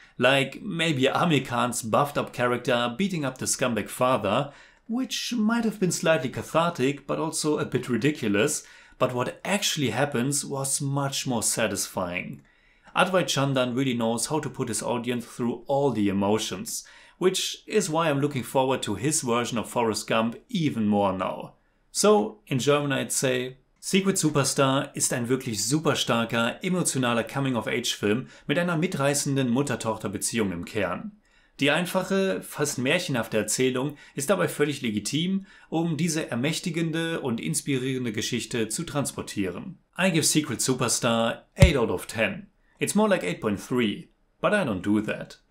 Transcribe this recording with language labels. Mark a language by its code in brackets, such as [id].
[en] Like maybe Aamir Khan's buffed up character beating up the scumbag father, which might have been slightly cathartic but also a bit ridiculous, but what actually happens was much more satisfying. Advait Chandan really knows how to put his audience through all the emotions, which is why I'm looking forward to his version of Forrest Gump even more now. So, in German I'd say, [de] Secret Superstar ist ein wirklich superstarker, emotionaler Coming-of-Age-Film mit einer mitreißenden Mutter-Tochter-Beziehung im Kern. Die einfache, fast märchenhafte Erzählung ist dabei völlig legitim, um diese ermächtigende und inspirierende Geschichte zu transportieren. [en] I give Secret Superstar 8 out of 10. It's more like 8.3, but I don't do that.